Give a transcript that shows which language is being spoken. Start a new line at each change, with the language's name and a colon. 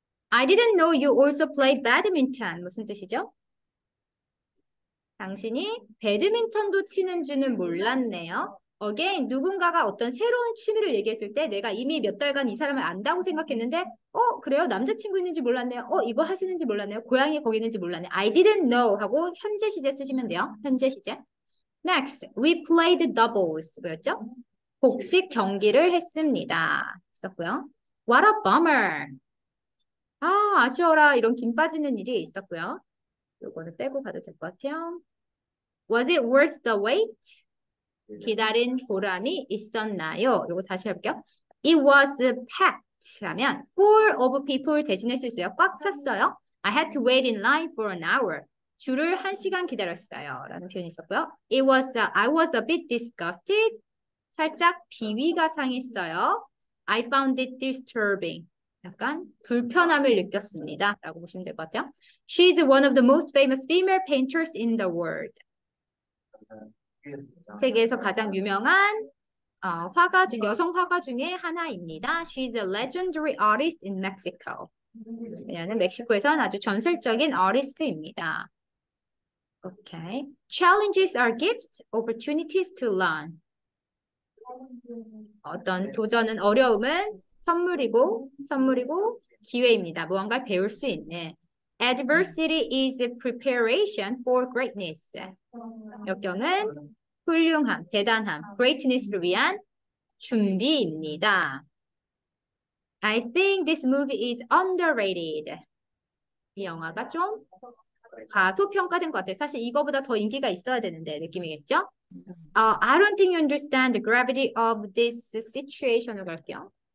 English: I didn't know you also play badminton.
Korean: 무슨 뜻이죠? 당신이 배드민턴도 치는 줄은 몰랐네요. Again, 누군가가 어떤 새로운 취미를 얘기했을 때 내가 이미 몇 달간 이 사람을 안다고 생각했는데, 그래요? 남자친구 있는지 몰랐네요. 이거 하시는지 몰랐네요. 고양이 거기 있는지 몰랐네요.
English: I didn't know
Korean: 하고 현재 시제 쓰시면 돼요. 현재 시제.
English: Next, we played doubles.
Korean: 뭐였죠? 복식 경기를 했습니다. 있었고요.
English: What a bummer.
Korean: 아, 아쉬워라. 이런 김 빠지는 일이 있었고요. 요거는 빼고 봐도 될것 같아요.
English: Was it worth the wait?
Korean: 기다린 보람이 있었나요? 요거 다시 해볼게요.
English: It was packed
Korean: 하면
English: full of people
Korean: 대신에 쓸수 있어요. 꽉 찼어요.
English: I had to wait in line for an hour.
Korean: 줄을 한 시간 기다렸어요. 라는 표현이 있었고요.
English: I was a bit disgusted.
Korean: 살짝 비위가 상했어요.
English: I found it disturbing.
Korean: 약간 불편함을 느꼈습니다. 라고 보시면 될것 같아요.
English: She's one of the most famous female painters in the world.
Korean: 세계에서 가장 유명한 여성 화가 중에 하나입니다.
English: She's a legendary artist in Mexico.
Korean: 왜냐하면 멕시코에서는 아주 전설적인 아티스트입니다.
English: Okay. Challenges are gifts, opportunities to learn.
Korean: 어떤 도전은 어려움은 선물이고 기회입니다. 무언가 배울 수 있는.
English: Adversity is preparation for greatness.
Korean: 역경은 훌륭함, 대단함, greatness를 위한 준비입니다.
English: I think this movie is underrated.
Korean: 이 영화가 좀 과소평가된 것 같아요. 사실 이거보다 더 인기가 있어야 되는데 느낌이겠죠?
English: I don't think you understand the gravity of this situation으로
Korean: 갈게요.